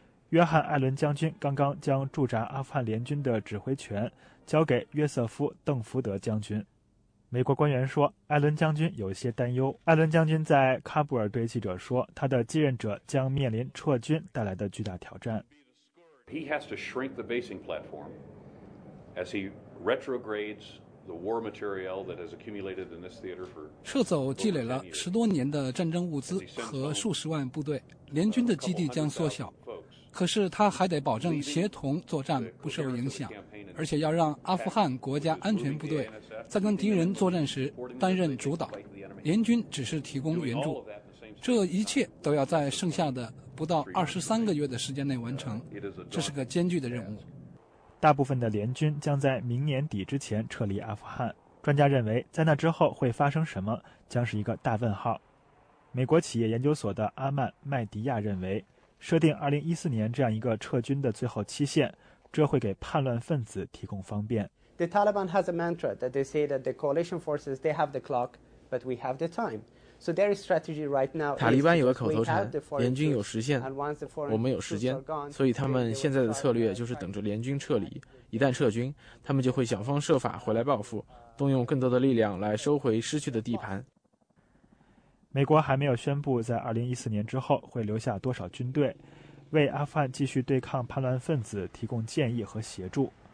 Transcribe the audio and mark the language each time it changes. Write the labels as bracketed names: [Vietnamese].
[Chinese] 约翰·艾伦将军刚刚将驻扎阿富汗联军的指挥权交给约瑟夫·邓福德将军。美国官员说，艾伦将军有些担忧。艾伦将军在喀布尔对记者说，他的继任者将面临撤军带来的巨大挑战。 [English] He has to shrink the basing platform as he retrogrades the war material that has accumulated in this theater for [Chinese] 撤走积累了十多年的战争物资和数十万部队，联军的基地将缩小。可是他还得保证协同作战不受影响，而且要让阿富汗国家安全部队在跟敌人作战时担任主导，联军只是提供援助。这一切都要在剩下的不到23个月的时间内完成，这是个艰巨的任务。大部分的联军将在明年底之前撤离阿富汗，专家认为在那之后会发生什么将是一个大问号。美国企业研究所的阿曼·麦迪亚认为，设定2014年这样一个撤军的最后期限，这会给叛乱分子提供方便。 [English] The Taliban has a mantra that they say that the coalition forces they have the clock, but we have the time. So their strategy right now. [Chinese] 塔利班有个口头禅：联军有时限，我们有时间。所以他们现在的策略就是等着联军撤离。一旦撤军，他们就会想方设法回来报复，动用更多的力量来收回失去的地盘。美国还没有宣布在2014年之后会留下多少军队，为阿富汗继续对抗叛乱分子提供建议和协助。